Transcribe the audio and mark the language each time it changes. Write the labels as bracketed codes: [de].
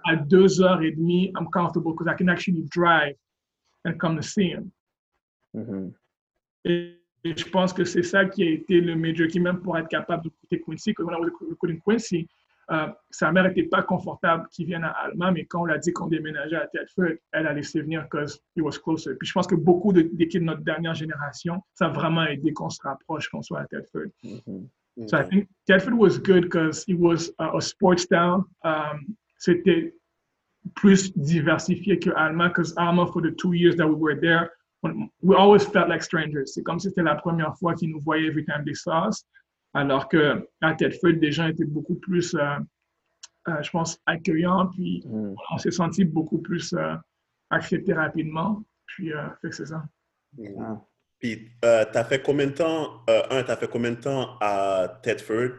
[en] À 2h30, I'm comfortable because I can actually drive and come to see him. Mm-hmm. [fr] Et je pense que c'est ça qui a été le major key, même pour être capable de quitter Quincy. Quand on a recruté Quincy, sa mère n'était pas confortable qu'il vienne à Alma, mais quand on l'a dit qu'on déménageait à Tedford, elle a laissé venir [en] because he was closer. [fr] Puis je pense que beaucoup des kids de notre dernière génération, ça a vraiment aidé qu'on se rapproche, qu'on soit à Tedford. Mm-hmm. [en] So I think Tedford was good because it was a sports town. [fr] C'était plus diversifié que Alma, [en] parce que Alma, for the 2 years that we were there, we always felt like strangers. [fr] C'est comme si c'était la première fois qu'ils nous voyaient [en] every time they saw us. [fr] Alors que à Thetford, les gens étaient beaucoup plus, je pense, accueillants. Puis on s'est senti beaucoup plus accepté rapidement. Puis, fait que c'est ça. Puis, t'as fait combien de temps, t'as fait combien de temps à Thetford?